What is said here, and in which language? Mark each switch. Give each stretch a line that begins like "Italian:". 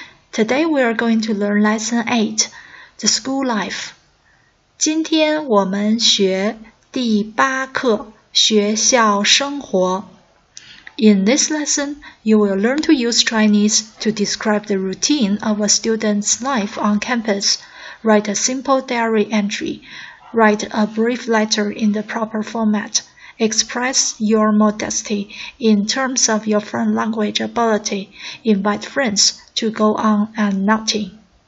English: Today we are going to learn Lesson 8, The School Life.
Chinese: 今天我们学第八课，学校生活。
English: In this lesson, you will learn to use Chinese to describe the routine of a student's life on campus, write a simple diary entry, write a brief letter in the proper format, express your modesty in terms of your foreign language ability, invite friends to go on an outing.